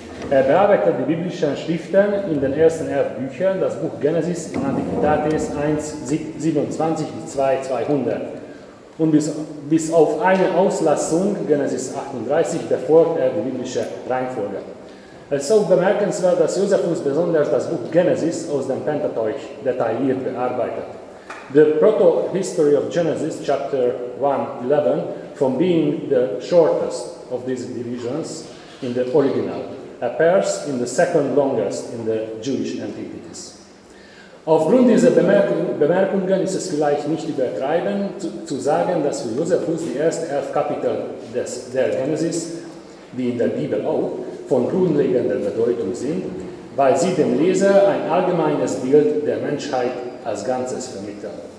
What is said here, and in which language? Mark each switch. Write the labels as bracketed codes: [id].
[de] Er bearbeitet die biblischen Schriften in den ersten 11 Büchern, das Buch Genesis in Antiquitates 1,27 bis 2,200. Und bis auf eine Auslassung, Genesis 38, befolgt er die biblische Reihenfolge. Es ist auch bemerkenswert, dass Josephus besonders das Buch Genesis aus dem Pentateuch detailliert bearbeitet. [en] The Proto-History of Genesis, Chapter 1,11, from being the shortest of these divisions in the original, appears in the second longest in the Jewish Antiquities. [de] Aufgrund dieser Bemerkungen ist es vielleicht nicht übertreiben, zu sagen, dass für Josephus die ersten 11 Kapitel der Genesis, wie in der Bibel auch, von grundlegender Bedeutung sind, weil sie dem Leser ein allgemeines Bild der Menschheit als Ganzes vermitteln.